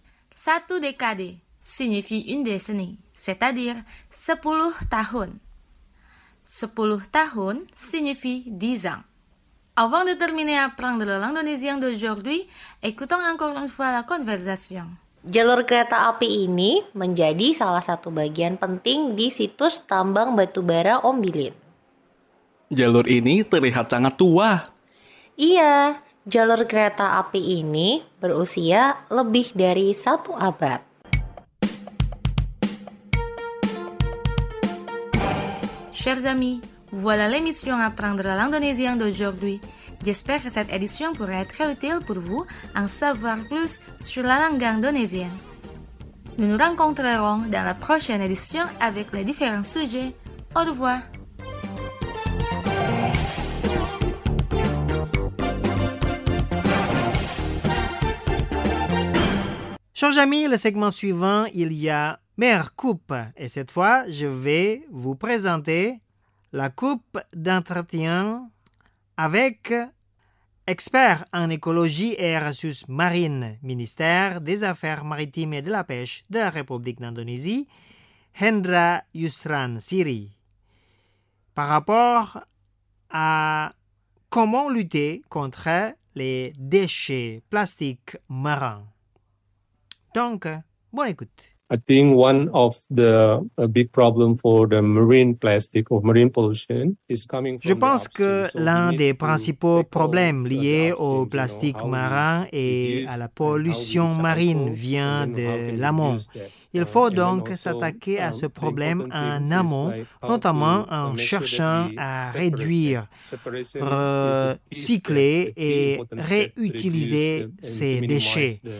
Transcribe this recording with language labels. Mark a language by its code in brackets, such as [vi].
[fr] Satu décade signifie une décennie, c'est-à-dire [id] 10 tahun. 10 tahun [fr] signifie 10 ans. Avant de terminer apprendre la langue indonésien d'aujourd'hui, écoutons encore une fois la conversation. [id] Jalur kereta api ini menjadi salah satu bagian penting di situs tambang batubara Ombilin. Jalur ini terlihat sangat tua. Iya, jalur kereta api ini berusia lebih dari satu abad. [fr] Chers amis, voilà l'émission Apprendre la langue indonésienne d'aujourd'hui. J'espère que cette édition pourra être très utile pour vous en savoir plus sur la langue indonésienne. Nous nous rencontrerons dans la prochaine édition avec les différents sujets. Au revoir! Chers amis, le segment suivant, il y a Mère Coupe. Et cette fois, je vais vous présenter la coupe d'entretien avec expert en écologie et ressources marines, ministère des Affaires maritimes et de la pêche de la République d'Indonésie, Hendra Yusran Siri, par rapport à comment lutter contre les déchets plastiques marins. Donc, bonne écoute. [en] I think one of the big problem for the marine plastic or marine pollution is coming from [fr] Je pense que l'un des principaux problèmes liés au plastique marin et à la pollution marine vient de l'amont. Il faut donc s'attaquer à ce problème en amont, notamment en cherchant à réduire, recycler et réutiliser ces déchets.